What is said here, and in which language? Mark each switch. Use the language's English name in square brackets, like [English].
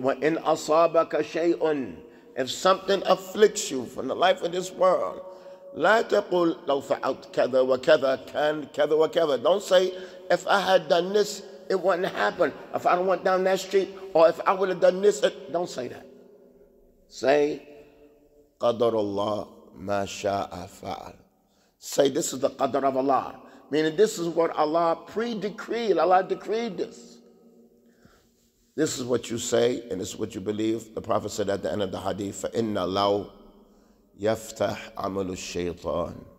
[Arabic] "Wa in asabaka shay'un," [English] if something afflicts you from the life of this world, [Arabic] لا تقول لو فعلت كذا وكذا كان كذا وكذا. [English] Don't say, if I had done this, it wouldn't happen. If I went down that street, or if I would have done this, it... don't say that. Say, [Arabic] قدر الله ما شاء فعل. [English] Say, this is the qadr of Allah. Meaning, this is what Allah pre-decreed. Allah decreed this. This is what you say, and this is what you believe. The Prophet said at the end of the hadith, [Arabic] فَإِنَّ لَوْ يَفْتَحْ عَمَلُ الشَّيْطَانِ.